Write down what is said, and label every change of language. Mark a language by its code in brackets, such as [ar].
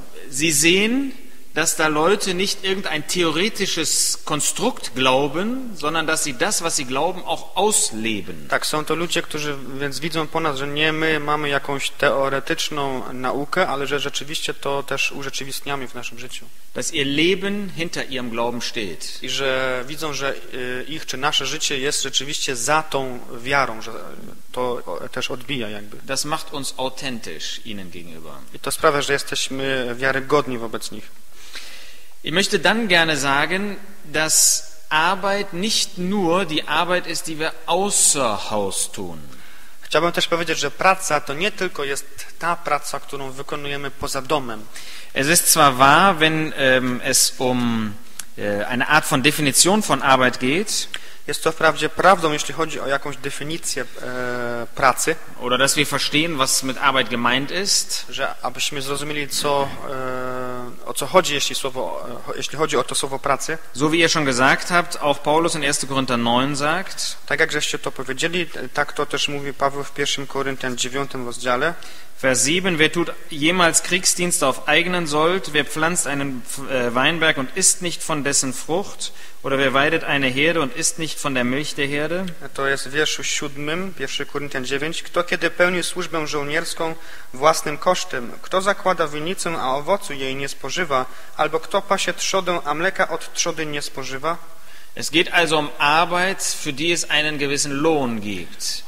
[de] Sie sehen, dass da Leute nicht irgendein theoretisches Konstrukt glauben, sondern dass sie das, was sie glauben, auch ausleben. [pl] Tak, są to ludzie, którzy więc widzą po nas, że nie my mamy jakąś teoretyczną naukę, ale że rzeczywiście to też urzeczywistniamy w naszym życiu. [de] Dass ihr Leben hinter ihrem Glauben steht. [pl] I że widzą, że ich czy nasze życie jest rzeczywiście za tą wiarą, że to też odbija jakby. [de] Das macht uns authentisch ihnen gegenüber. [pl] I to sprawia, że jesteśmy wiarygodni wobec nich. [de] Ich möchte dann gerne sagen, dass Arbeit nicht nur die Arbeit ist, die wir außer Haus tun. [pl] Chciałbym też powiedzieć, że praca to nie tylko jest ta praca, którą wykonujemy poza domem. [de] Es ist zwar wahr, wenn es um eine Art von Definition von Arbeit geht. [pl] Jest to wprawdzie prawdą, jeśli chodzi o jakąś definicję pracy. [de] Oder dass wir verstehen, was mit Arbeit gemeint ist. [pl] Że abyśmy zrozumieli, co, o co chodzi, jeśli chodzi o to słowo pracy. [de] So wie ihr schon gesagt habt, auch Paulus in 1. Korinther 9 sagt. [pl] Tak jak żeście to powiedzieli, tak to też mówi Paweł w 1. Korinther 9 rozdziale. [de] Vers 7, wer tut jemals Kriegsdienst auf eigenen Sold, wer pflanzt einen Weinberg und isst nicht von dessen Frucht, oder wer weidet eine Herde und isst nicht von der Milch der Herde? [pl] To jest w wierszu 7, 1 Korinthian 9, kto kiedy pełni służbę żołnierską własnym kosztem, kto zakłada winnicę, a owocu jej nie spożywa, albo kto pasie trzodę, a mleka od trzody nie spożywa? [de] Es geht also um Arbeit, für die es einen gewissen Lohn gibt.